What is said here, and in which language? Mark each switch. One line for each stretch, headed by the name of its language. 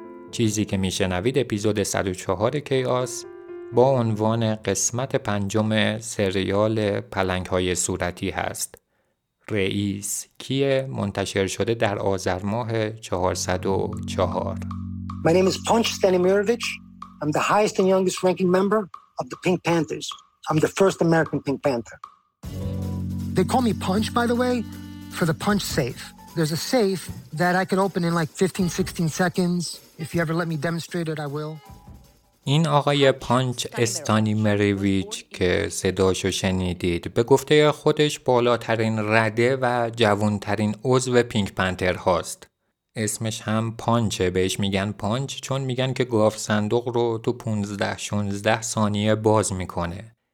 Persian: چیزی که میشنوید اپیزود 104 کیاس با عنوان قسمت پنجم سریال پلنگ های صورتی هست. رئیس کیه منتشر شده در آذر ماه 404.
English: My name is Punch Stanimirovich. I'm the highest and youngest ranking member of the Pink Panthers. I'm the first American Pink Panther. They call me Punch, by the way, for the punch safe. There's a safe that I could open in like 15, 16 seconds. If you ever let me demonstrate it, I will.
Persian: این آقای پانچ استانیمریویچ که صداشو شنیدید، به گفته خودش بالاترین رده و جوانترین عضو پینک پنتر هاست. اسمش هم پانچه، بهش میگن پانچ چون میگن که گاف صندوق رو تو 15-16 ثانیه باز میکنه.